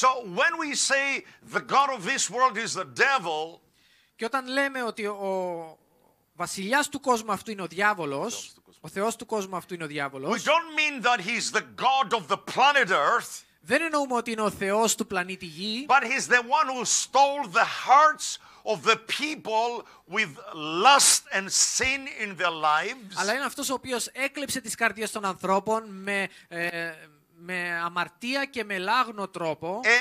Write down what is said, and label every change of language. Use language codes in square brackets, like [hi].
[en] So when we say the god of this world is the devil, [el] και όταν λέμε ότι ο βασιλιάς του κόσμου αυτού είναι ο διάβολος, ο θεός του κόσμου αυτού είναι ο διάβολος, [en] we don't mean that he's the god of the planet Earth. [el] Δεν εννοούμε ότι είναι ο θεός του πλανήτη Γη, [en] but he's the one who stole the hearts of the people with lust and sin in their lives. [el] Αλλά είναι αυτός ο οποίος έκλεψε τις καρδιές των ανθρώπων με αμαρτία και με λάγνο τρόπο.